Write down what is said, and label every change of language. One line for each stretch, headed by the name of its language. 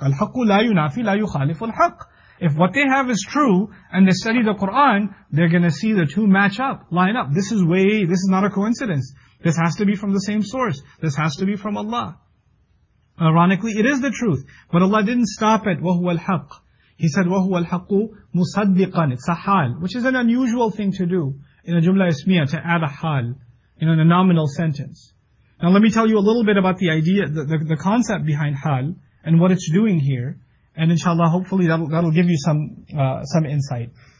Arabic: الْحَقُّ لَا يُنَافِي لَا يُخَالِفُ الْحَقِّ.
English: If what they have is true, and they study the Qur'an, they're gonna see the two match up, line up. This is not a coincidence. This has to be from the same source. This has to be from Allah. Ironically, it is the truth. But Allah didn't stop at
Arabic: وَهُوَ الْحَقِّ.
English: He said
Arabic: وَهُوَ الْحَقُّ مُصَدِّقًا.
English: It's a hal, which is an unusual thing to do in a jumla ismiya, to add a hal in a nominal sentence. Now let me tell you a little bit about the idea, the concept behind hal, and what it's doing here. And inshallah, hopefully that'll give you some insight.